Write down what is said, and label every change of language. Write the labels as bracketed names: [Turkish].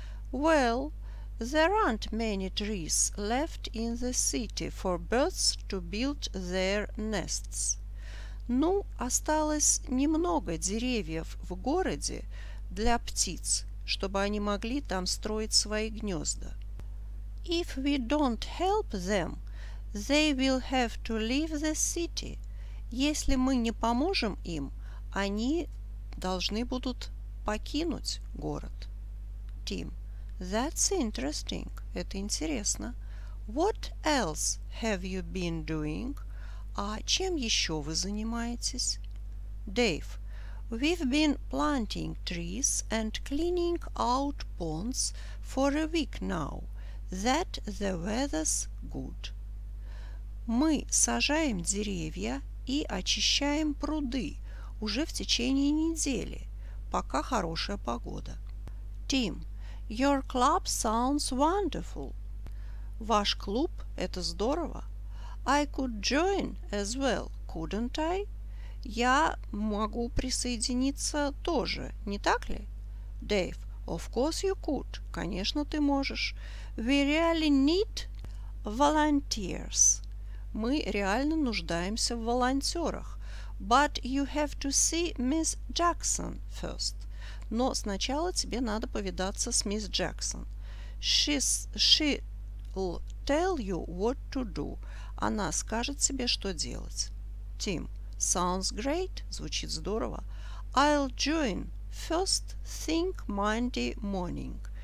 [English] Well, there aren't many trees left in the city for birds to build their nests. [Russian] Ну, осталось немного деревьев в городе для птиц, чтобы они могли там строить свои гнезда. [English] If we don't help them, they will have to leave the city. [Russian] Если мы не поможем им, они должны будут покинуть город. [English] Tim, that's interesting. [Russian] Это интересно. [English] What else have you been doing? [Russian] А чем еще вы занимаетесь? [English] Dave, we've been planting trees and cleaning out ponds for a week now. That the weather's good. [Russian] Мы сажаем деревья и очищаем пруды уже в течение недели, пока хорошая погода. [English] Tim, your club sounds wonderful. [Russian] Ваш клуб – это здорово. [English] I could join as well, couldn't I? [Russian] Я могу присоединиться тоже, не так ли? [English] Dave, of course you could. [Russian] Конечно, ты можешь. [English] We really need volunteers. [Russian] Мы реально нуждаемся в волонтерах. [English] But you have to see Miss Jackson first. [Russian] Но сначала тебе надо повидаться с мисс Джексон. [English] She'll tell you what to do. [Russian] Она скажет тебе, что делать. [English] Tim, sounds great. [Russian] Звучит здорово. [English] I'll join first thing Monday morning.